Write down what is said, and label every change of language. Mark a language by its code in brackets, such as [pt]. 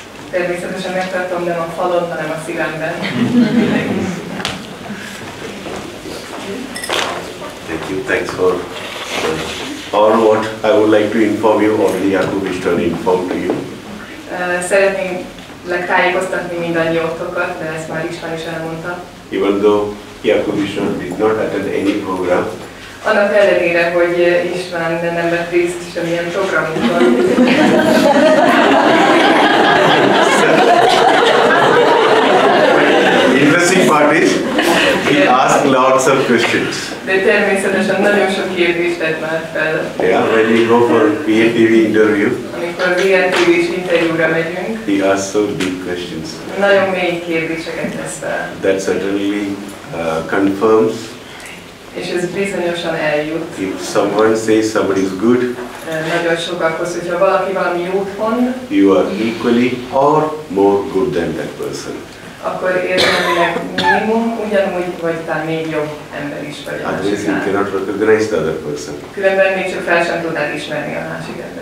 [hu] természetesen megtartom nem a falon, hanem a szívemben. [en] Thank you, thanks for all what I would like to inform you or the Yakubishtan informed you. [hu] Szeretném letájékoztatni mindannyiótokat, de ezt már István is elmondta. [en] Even though Yakubishtan did not attend any program. [hu] Annak ellenére, hogy István nem vett részt semmilyen programunkban. [en] Interesting part is, he asked lots of questions. [hu] De természetesen nagyon sok kérdést tett már fel. [en] Yeah, when you go for BRTV interview. [hu] Amikor BRTV-s interjúra megyünk. [en] He asked so deep questions. [hu] Nagyon mély kérdéseket tesz fel. [en] That certainly confirms. [hu] És ez bizonyosan eljut. [en] If someone says somebody is good. [hu] Nagyon sokakhoz, hogyha valaki valami jót mond. [en] You are equally or more good than that person. [hu] Akkor érdemlőnek minimum, ugyanúgy, vagy talán még jobb ember is vagy a másiknál. [en] Otherwise you cannot recognize the other person. [hu] Különben még csak fel sem tudnád ismerni a másik ember.